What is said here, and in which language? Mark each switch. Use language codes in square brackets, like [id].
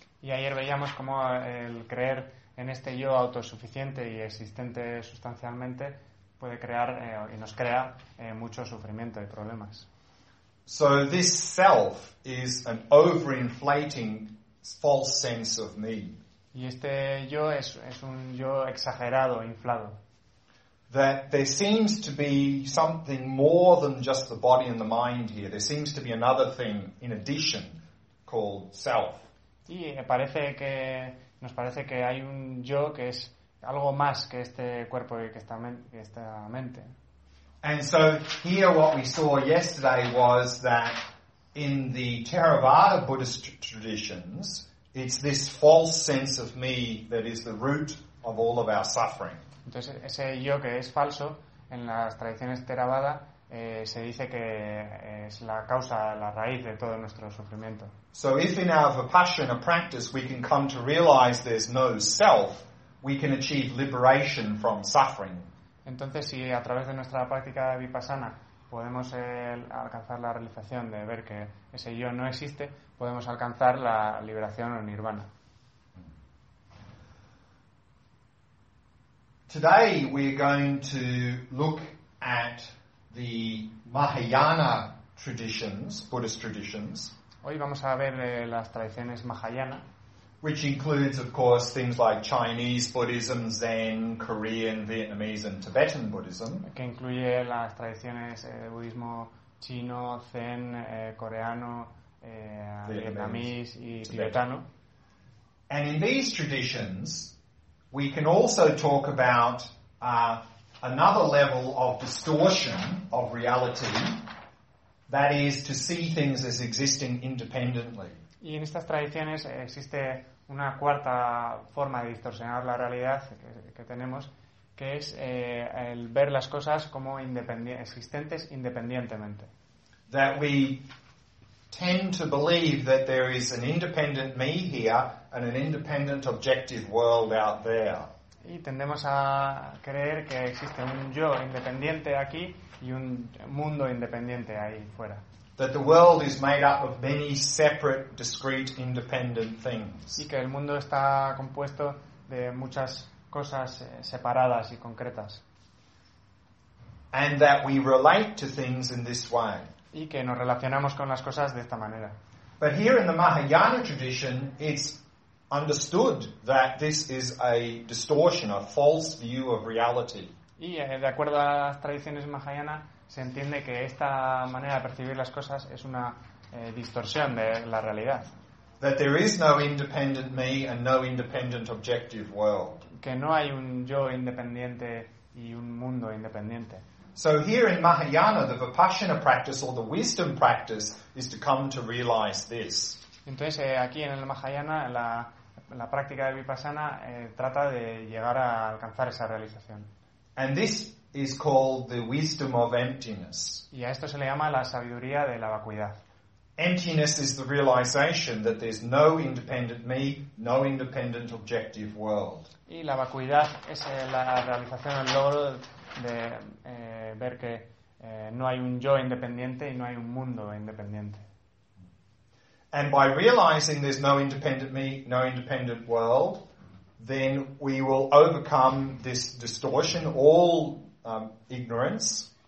[es] Y ayer veíamos cómo el creer en este yo autosuficiente y existente sustancialmente puede crear y nos crea mucho sufrimiento y problemas. [en] So this self is an overinflating false sense of me. [es] Y este yo es un yo exagerado, inflado. [en] That there seems to be something more than just the body and the mind here. There seems to be another thing in addition called self. [es] Y parece que nos parece que hay un yo que es algo más que este cuerpo y que esta mente. [en] And so here what we saw yesterday was that in the Theravada Buddhist traditions, it's this false sense of me that is the root of all of our suffering. [es] Entonces ese yo que es falso en las tradiciones Theravada se dice que es la causa, la raíz de todo nuestro sufrimiento. [en] So if in our Vipassana practice we can come to realize there's no self, we can achieve liberation from suffering. [es] Entonces, si a través de nuestra práctica de Vipassana podemos alcanzar la realización de ver que ese yo no existe, podemos alcanzar la liberación o nirvana. [en] Today we're going to look at the Mahayana traditions, Buddhist traditions. [es] Hoy vamos a ver las tradiciones Mahayana. [en] Which includes, of course, things like Chinese Buddhism, Zen, Korean, Vietnamese, and Tibetan Buddhism. [es] Que incluye las tradiciones de budismo chino, Zen, coreano, vietnamese y tibetano. [en] And in these traditions, we can also talk about another level of distortion of reality, that is to see things as existing independently. [es] Y en estas tradiciones existe una cuarta forma de distorsionar la realidad que tenemos, que es el ver las cosas como existentes independientemente. [en] That we tend to believe that there is an independent me here and an independent objective world out there. [es] Y tendemos a creer que existe un yo independiente aquí y un mundo independiente ahí fuera. [en] that the world is made up of many separate, discrete, independent things. [es] Y que el mundo está compuesto de muchas cosas separadas y concretas. [en] And that we relate to things in this way. [es] Y que nos relacionamos con las cosas de esta manera. [en] But here in the Mahayana tradition, it's understood that this is a distortion, a false view of reality. [es] Y de acuerdo a las tradiciones Mahayana, se entiende que esta manera de percibir las cosas es una distorsión de la realidad. [en] That there is no independent me and no independent objective world. [es] Que no hay un yo independiente y un mundo independiente. [en] So here in Mahayana, the Vipassana practice or the wisdom practice is to come to realize this. [es] Entonces aquí en el Mahayana la práctica de Vipassana trata de llegar a alcanzar esa realización. [en] And this is called the wisdom of emptiness. [es] Y a esto se le llama la sabiduría de la vacuidad. [en] Emptiness is the realization that there's no independent me, no independent objective world. [es] Y la vacuidad es la realización, el logro de ver que no hay un yo independiente y no hay un mundo independiente. [en] And by realizing there's no independent me, no independent world, then we will overcome this distortion, all ignorance.